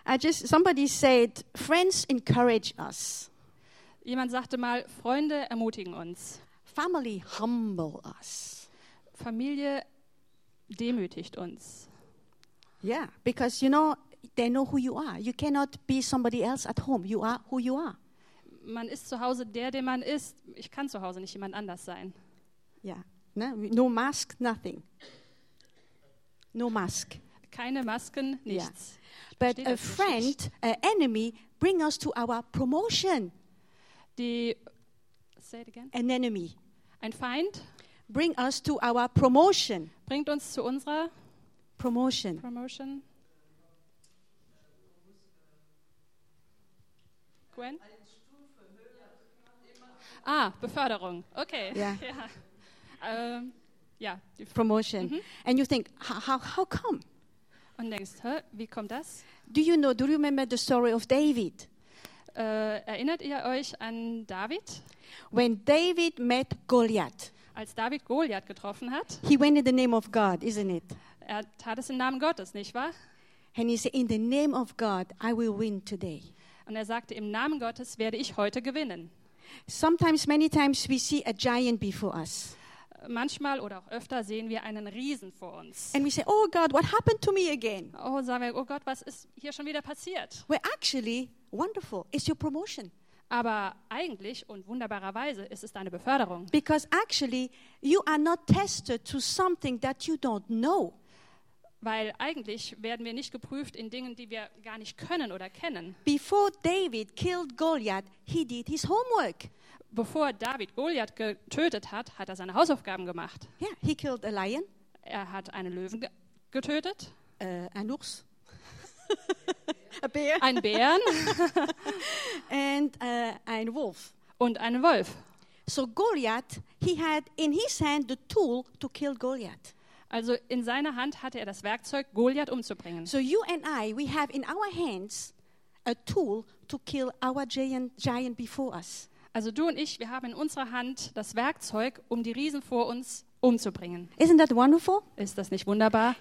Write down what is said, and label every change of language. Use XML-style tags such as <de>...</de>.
<en>Somebody said friends encourage us.</en> <de>Jemand sagte mal, Freunde ermutigen uns.</de> <en>Family humble us.</en> <de>Familie demütigt uns.</de> <en>Yeah, because you know they know who you are. You cannot be somebody else at home. You are who you are.</en> <de>Man ist zu Hause der, der man ist. Ich kann zu Hause nicht jemand anders sein.</de> <en>Ja, yeah. No mask, nothing. No mask.</en> <de>Keine Masken, nichts. Yeah.</de> <en>But a friend, an enemy, bring us to our promotion. Say it again. An enemy.</en> <de>Ein Feind.</de> <en>Bring us to our promotion.</en> <de>Bringt uns zu unserer Promotion. Promotion. Gwen? Ah, Beförderung. Okay. Ja. Yeah.</de> <en>Yeah. Promotion. Mm-hmm. And you think, how come?</en> <de>Und denkst, wie kommt das?</de> <en>Do you remember the story of David?</en> <de>Erinnert ihr euch an David?</de> <en>When David met Goliath.</en> <de>Als David Goliath getroffen hat.</de> <en>He went in the name of God, isn't it?</en> <de>Er tat es im Namen Gottes, nicht wahr?</de> <en>And he said, in the name of God, I will win today.</en> <de>Und er sagte, im Namen Gottes werde ich heute gewinnen.</de> <en>Sometimes, many times, we see a giant before us.</en> <de>Manchmal oder auch öfter sehen wir einen Riesen vor uns.</de> <en>And we say, oh God, what happened to me again?</en> <de>Oh, sagen wir, oh Gott, was ist hier schon wieder passiert?</de> <en>We're actually wonderful. It's your promotion.</en> <de>Aber eigentlich und wunderbarerweise ist es deine Beförderung.</de> <en>Because actually, you are not tested to something that you don't know.</en> <de>Weil eigentlich werden wir nicht geprüft in Dingen, die wir gar nicht können oder kennen.</de> <en>Before David killed Goliath, he did his homework.</en> <de>Bevor David Goliath getötet hat, hat er seine Hausaufgaben gemacht.</de> <en>Yeah, he killed a lion.</en> <de>Er hat einen Löwen getötet. Ein Urs.</de> <en>A bear.</en> <de>Ein Bären.</de> <en>And</en> <de>ein Wolf. Und einen Wolf.</de> <en>So Goliath, he had in his hand the tool to kill Goliath.</en> <de>Also in seiner Hand hatte er das Werkzeug, Goliath umzubringen.</de> <en>So you and I, we have in our hands a tool to kill our giant before us.</en> <de>Also du und ich, wir haben in unserer Hand das Werkzeug, um die Riesen vor uns umzubringen.</de> <en>Isn't that wonderful?</en> <de>Ist das nicht wunderbar?</de>